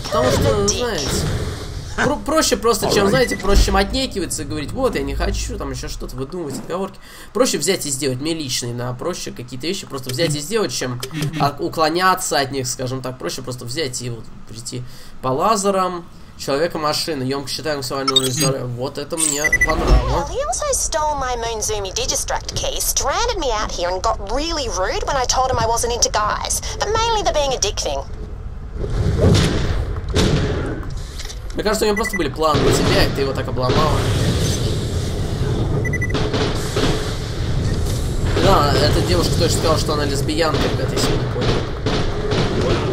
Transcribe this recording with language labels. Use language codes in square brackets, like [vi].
[ru] Потому что, знаете, проще просто, чем, знаете, проще, чем отнекиваться и говорить, вот, я не хочу там еще что-то выдумывать, отговорки. Проще взять и сделать, мне личные, на проще какие-то вещи просто взять и сделать, чем уклоняться от них, скажем так. Проще просто взять и вот прийти по лазерам. Человека-машина, ёмко считаем максимальную уровень. Вот это мне понравилось. [en] Well, he also stole my Moonzumi Digistruct key, stranded me out here and got really rude when I told him I wasn't into guys. But mainly the being a dick thing. [ru] Мне кажется, у него просто были планы на тебя, и ты его так обломала. Да, эта девушка точно сказала, что она лесбиянка, ребята, если не понял.